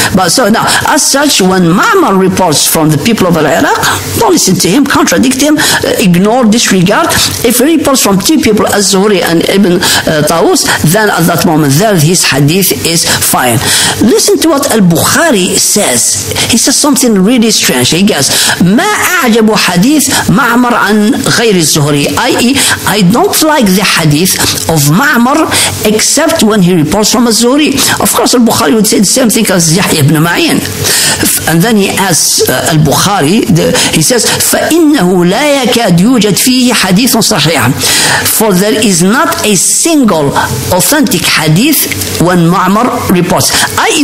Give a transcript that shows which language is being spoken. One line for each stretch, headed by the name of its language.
English: But so now, as such, when Ma'mar reports from the people of Iraq, don't listen to him, contradict him, ignore, disregard. If he reports from two people, Az-Zuhri and Ibn Tawus, then at that moment there, his hadith is fine. Listen to what Al-Bukhari says. He says something really strange. He goes,
Arabic: ما أعجب حديث معمر عن غير الزهري, i.e.
English: I don't like the hadith of معمر except when he reports from الزهري. Of course, Al-Bukhari would say the same thing as Yahya ibn Ma'in. And then he asks Al-Bukhari, he says,
Arabic: فإنه لا يكاد يوجد فيه حديث صحيح.
English: For there is not a single authentic hadith when معمر reports. i.e.